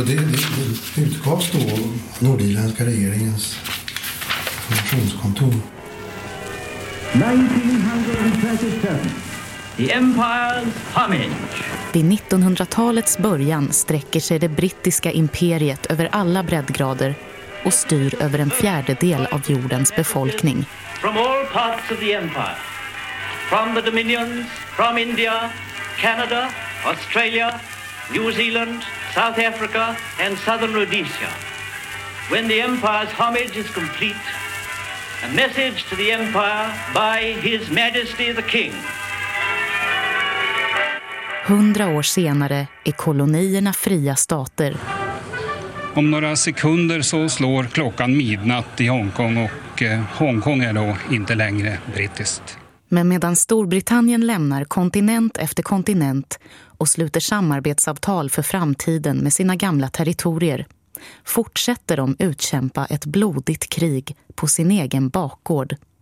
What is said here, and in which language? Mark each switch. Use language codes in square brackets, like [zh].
[sv] Och det utgavs då Nordirländska regeringens informationskontor. [en] 1937. The Empire's homage. [sv] Vid 1900-talets början sträcker sig det brittiska imperiet över alla breddgrader och styr över en fjärdedel av jordens befolkning. [en] From all parts of the empire, from the dominions, from India, Canada, Australia, New Zealand, South Africa and Southern Rhodesia. When the empire's homage is complete, a message to the empire by His Majesty the King. [sv] 100 år senare är kolonierna fria stater. Om några sekunder så slår klockan midnatt i Hongkong och Hongkong är då inte längre brittiskt. Men medan Storbritannien lämnar kontinent efter kontinent och sluter samarbetsavtal för framtiden med sina gamla territorier fortsätter de utkämpa ett blodigt krig på sin egen bakgård.